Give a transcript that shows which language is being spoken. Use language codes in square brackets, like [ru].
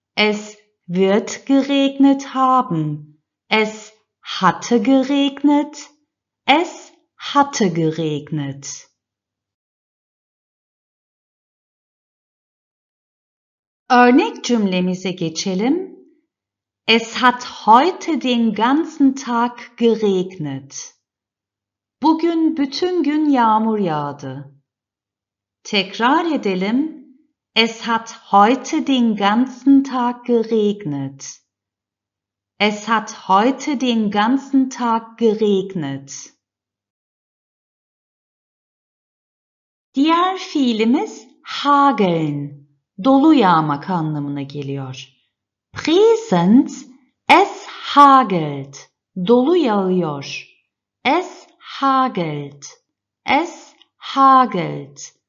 [de] Es wird geregnet haben. Es hatte geregnet. Es hatte geregnet. [tr] Örnek cümlemize geçelim. [de] Es hat heute den ganzen Tag geregnet. [tr] Bugün bütün gün yağmur yağdı. Tekrar edelim. [de] Es hat heute den ganzen Tag geregnet. Es hat heute den ganzen Tag geregnet. [tr] Diğer fiilimiz hageln, dolu yağmak anlamına geliyor. [de] Present, es hagelt, [tr] dolu yağıyor. [de] Es hagelt, es hagelt.